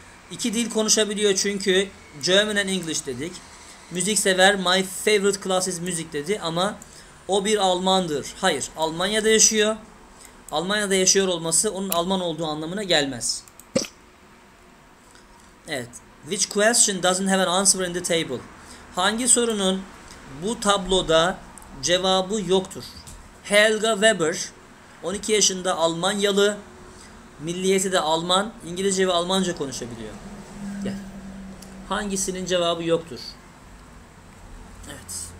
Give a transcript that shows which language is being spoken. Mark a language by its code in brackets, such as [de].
[tr] İki dil konuşabiliyor çünkü [en] German and English [tr] dedik. Müzik sever, [en] my favorite class is music [tr] dedi ama o bir Almandır. Hayır, Almanya'da yaşıyor. Almanya'da yaşıyor olması onun Alman olduğu anlamına gelmez. Evet. [en] Which question doesn't have an answer in the table? [tr] Hangi sorunun bu tabloda cevabı yoktur? Helga Weber, 12 yaşında Almanyalı, milliyeti de Alman, İngilizce ve Almanca konuşabiliyor. Gel. Hangisinin cevabı yoktur? Evet.